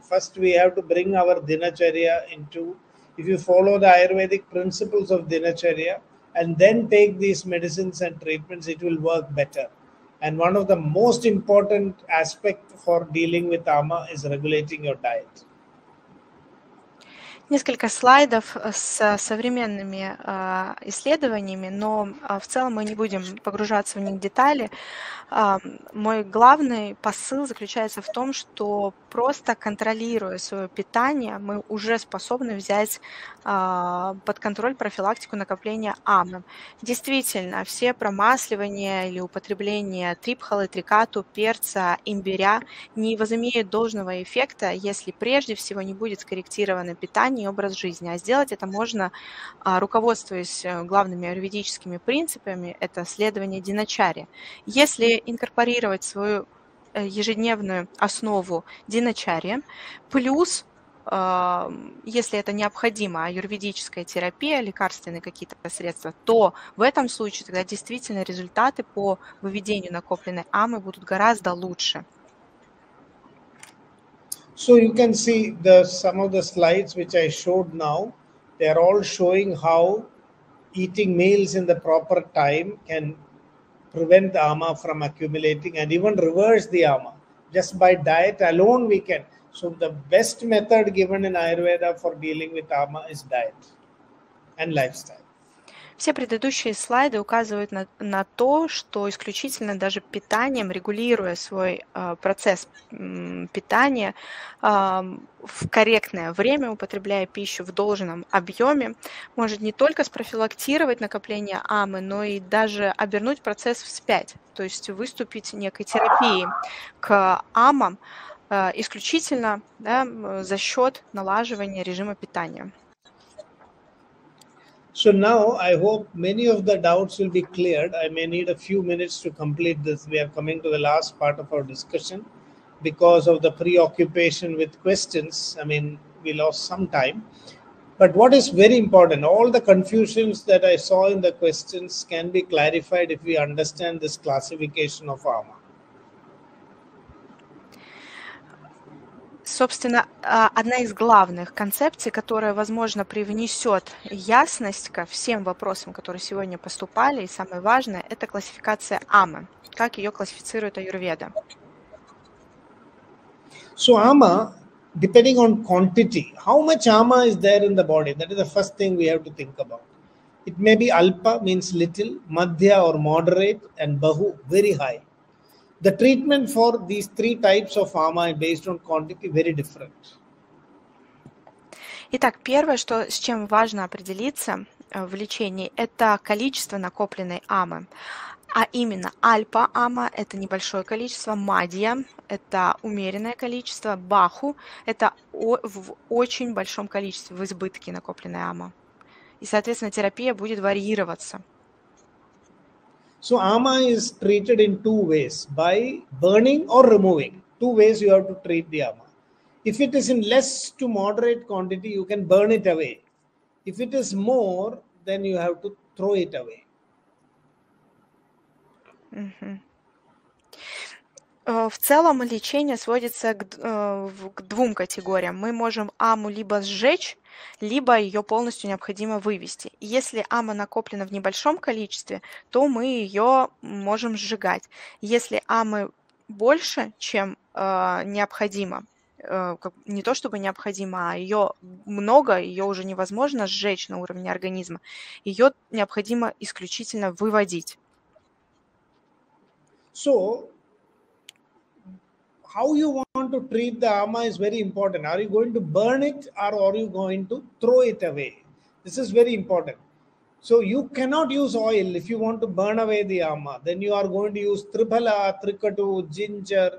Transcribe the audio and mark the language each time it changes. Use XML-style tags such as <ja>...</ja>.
<en>First, we have to bring our dinacharya into if you follow the Ayurvedic principles of Dinacharya and then take these medicines and treatments, it will work better. And one of the most important aspects for dealing with ama is regulating your diet.</en> <ru>несколько слайдов с современными исследованиями, но в целом мы не будем погружаться в них в детали. Мой главный посыл заключается в том, что просто контролируя свое питание, мы уже способны взять под контроль профилактику накопления амна. Действительно, все промасливания или употребление трипхалы, трикату, перца, имбиря не возымеют должного эффекта, если прежде всего не будет скорректировано питание и образ жизни. А сделать это можно, руководствуясь главными аюрведическими принципами, это следование диначари. Если инкорпорировать свою ежедневную основу диначари, плюс, если это необходимо, аюрведическая терапия, лекарственные какие-то средства, то в этом случае тогда действительно результаты по выведению накопленной амы будут гораздо лучше.</ru> <en>So you can see the some of the slides which I showed now, they're all showing how eating meals in the proper time can prevent the ama from accumulating and even reverse the ama. Just by diet alone we can. So the best method given in Ayurveda for dealing with ama is diet and lifestyle.</en> <ru>Все предыдущие слайды указывают на то, что исключительно даже питанием, регулируя свой процесс питания в корректное время, употребляя пищу в должном объеме, может не только спрофилактировать накопление амы, но и даже обернуть процесс вспять, то есть выступить некой терапией к амам исключительно, да, за счет налаживания режима питания.</ru> <en>So now I hope many of the doubts will be cleared. I may need a few minutes to complete this. We are coming to the last part of our discussion. Because of the preoccupation with questions, I mean, we lost some time. But what is very important, all the confusions that I saw in the questions can be clarified if we understand this classification of ama.</en> <ru>Собственно, одна из главных концепций, которая, возможно, привнесет ясность ко всем вопросам, которые сегодня поступали, и самое важное, это классификация амы, как ее классифицирует аюрведа.</ru> <en>So ama, depending on quantity, how much ama is there in the body? That is the first thing we have to think about. It may be alpa, means little, madhya or moderate, and bahu, very high. The treatment for these three types of ama based on quantity very different.</en> <ru>Итак, первое, что с чем важно определиться в лечении, это количество накопленной амы. А именно альпа ама это небольшое количество, мадья это умеренное количество, баху это в очень большом количестве, в избытке накопленная ама. И, соответственно, терапия будет варьироваться.</ru> <en>So ama is treated in two ways, by burning or removing. Two ways you have to treat the ama. If it is in less to moderate quantity, you can burn it away. If it is more, then you have to throw it away.</en> <ru>В целом лечение сводится к двум категориям. Мы можем аму либо сжечь, либо ее полностью необходимо вывести. Если ама накоплена в небольшом количестве, то мы ее можем сжигать. Если амы больше, чем необходимо, не то чтобы необходимо, а ее много, ее уже невозможно сжечь на уровне организма, ее необходимо исключительно выводить.</ru> <en>So, how you want to treat the ama is very important. Are you going to burn it or are you going to throw it away? This is very important. So you cannot use oil if you want to burn away the ama. Then you are going to use tribhala, trikatu, ginger.</en>